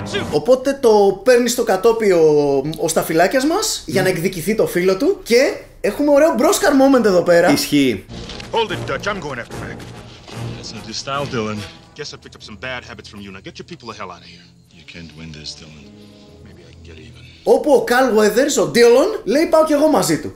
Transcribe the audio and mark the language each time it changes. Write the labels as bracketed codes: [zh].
[el] Οπότε το παίρνει στο κατόπι ο Σταφυλάκιας μας για να εκδικηθεί το φίλο του και έχουμε ωραίο μπρόσκαρ moment εδώ πέρα. Ισχύει. [en] Hold it, Dutch, I'm going after Mac. That's not your style, Dylan. Guess I picked up some bad habits from you. Now get your people the hell out of here. You can't win this, Dylan. Maybe I can get even. [el] Όπου ο Carl Weathers, ο Dylan, λέει πάω κι εγώ μαζί του.